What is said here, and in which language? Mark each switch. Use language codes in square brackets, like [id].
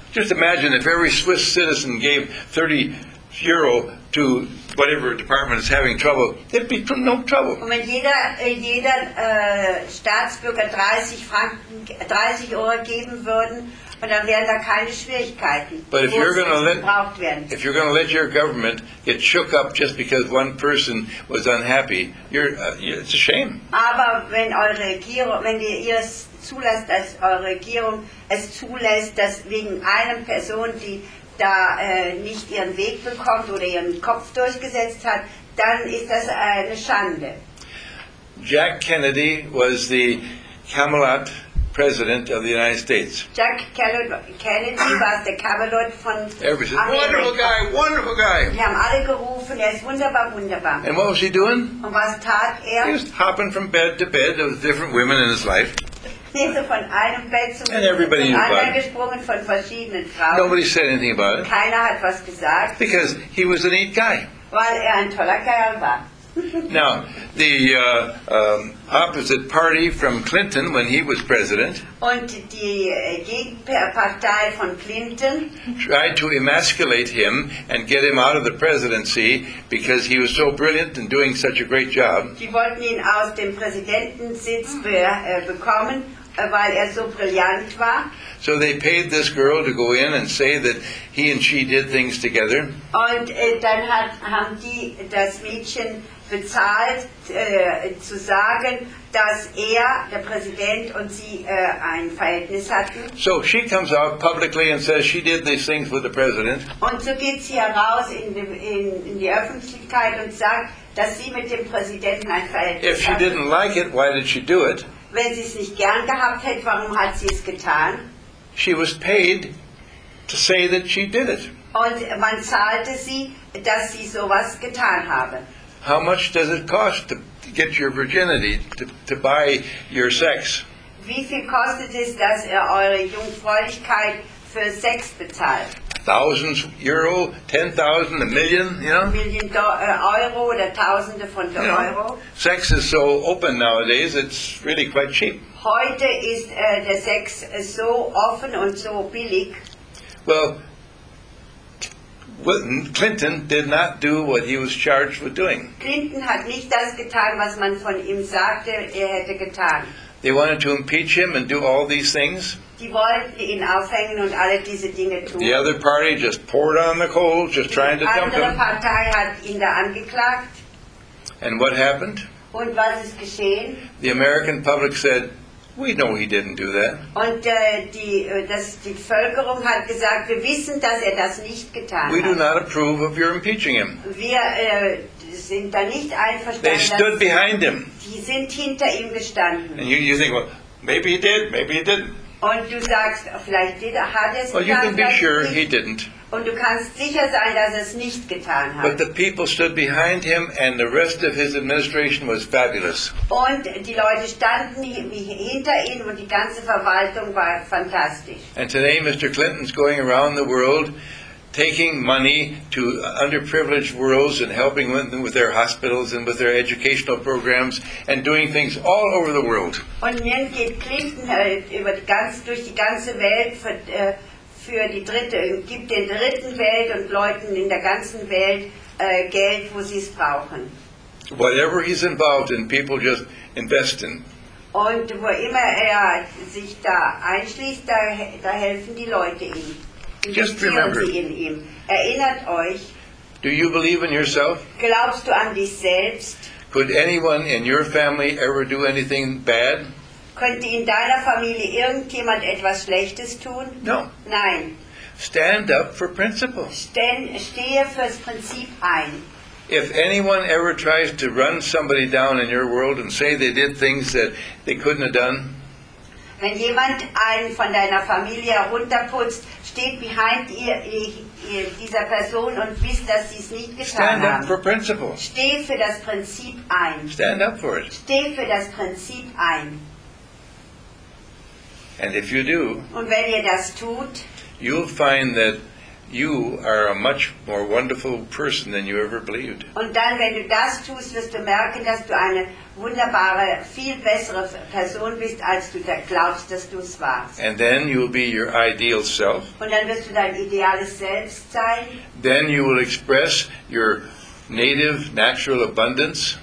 [en] Just imagine if every Swiss citizen gave 30 Euro to whatever department is having trouble, there'd be no trouble. [de] Und wenn jeder Staatsbürger 30 Euro geben würden, und dann wären da keine Schwierigkeiten. [en] But if you're going to let your government get shook up just because one person was unhappy, it's a shame. [de] Aber wenn eure Regierung, wenn ihr es zulässt, dass eure Regierung es zulässt, dass wegen einer Person, die da nicht ihren Weg bekommt oder ihren Kopf durchgesetzt hat, dann ist das eine Schande. [en] Jack Kennedy was the Camelot President of the United States. [de] Jack Kennedy was der Kavalier von [en] Amerika. Wonderful guy. [de] Wir haben alle gerufen, er ist wunderbar. [en] And what was he doing? [de] Und was tat er? [en] He was hopping from bed to bed with different women in his life. [de] Von einem Bett zum anderen gesprungen, von verschiedenen Frauen. [en] Nobody said anything about it. [de] Keiner hat was gesagt. [en] Because he was a neat guy. [de] Weil er ein toller Kerl war. [en] Now, the opposite party from Clinton when he was president [de] und die Gegenpartei von Clinton [en] tried to emasculate him and get him out of the presidency because he was so brilliant and doing such a great job. [de] Die wollten ihn aus dem Präsidentensitz bekommen, weil er so brillant war. [en] So they paid this girl to go in and say that he and she did things together. [de] Und dann haben die das Mädchen bezahlt, zu sagen, dass er, der Präsident, und sie ein Verhältnis hatten. [en] So she comes out publicly and says she did these things with the president. [de] Und so geht sie heraus in die Öffentlichkeit und sagt, dass sie mit dem Präsidenten ein Verhältnis hatte. [en] If she didn't like it, why did she do it? [de] Wenn sie es nicht gern gehabt hätte, warum hat sie es getan? [en] She was paid to say that she did it. [de] Und man zahlte sie, dass sie sowas getan habe. [en] How much does it cost to get your virginity, to buy your sex? [de] Wie viel kostet es, dass ihr eure Jungfräulichkeit für Sex bezahlt? [en] Thousands Euro, 10,000, a million, you know? [de] Million Euro oder Tausende von Euro. [en] You know, sex is so open nowadays, it's really quite cheap. [de] Heute ist der Sex so offen und so billig. [en] Well, Clinton did not do what he was charged with doing. [de] Clinton hat nicht das getan, was man von ihm sagte, er hätte getan. [en] They wanted to impeach him and do all these things. [de] Die wollten ihn aufhängen und alle diese Dinge tun. [en] The other party just poured on the coals, just trying to dump him. [de] Die andere Partei hat ihn da angeklagt. [en] And what happened? [de] Und was ist geschehen? [en] The American public said, we know he didn't do that. [de] Und die Bevölkerung hat gesagt, wir wissen, dass er das nicht getan hat. [en] We do not approve of your impeaching him. [de] Wir sind da nicht einverstanden. [en] They stood behind him. [de] Die sind hinter ihm gestanden. [en] And you think, well, maybe he did, maybe he didn't. [de] Und du sagst, vielleicht hat er es getan, vielleicht nicht. [en] Well, you can be sure he didn't. [de] Und du kannst sicher sein, dass es nicht getan hat. [en] But the people stood behind him and the rest of his administration was fabulous. [de] Und die Leute standen hinter ihm und die ganze Verwaltung war fantastisch. [en] And today Mr. Clinton's going around the world taking money to underprivileged worlds and helping them with their hospitals and with their educational programs and doing things all over the world. [de] Und nun geht Clinton durch die ganze Welt für die Dritte, gibt den Dritten Welt und Leuten in der ganzen Welt Geld, wo sie es brauchen. [en] Whatever he's involved in, people just invest in. [de] Und wo immer er sich da einschließt, da helfen die Leute ihm. [en] Just remember. [de] Erinnert euch. [en] Do you believe in yourself? [de] Glaubst du an dich selbst? [en] Could anyone in your family ever do anything bad? [de] Könnte in deiner Familie irgendjemand etwas Schlechtes tun? [en] No. [de] Nein. [en] Stand up for principle. [de] Stehe fürs Prinzip ein. [en] If anyone ever tries to run somebody down in your world and say they did things that they couldn't have done, [de] wenn jemand einen von deiner Familie runterputzt, steht [en] behind [de] dieser Person und wisst, dass sie es nicht getan haben. [en] Stand up for principle. [de] Steh für das Prinzip ein. [en] Stand up for it. [de] Steh für das Prinzip ein. [en] And if you do, [de] und wenn ihr das tut, [en] you'll find that you are a much more wonderful person than you ever believed. [de] Und dann, wenn du das tust, wirst du merken, dass du eine wunderbare, viel bessere Person bist, als du glaubst, dass du es warst. [en] And then you will be your ideal self. [de] Und dann wirst du dein ideales Selbst sein. [en] Then you will express your native, natural abundance.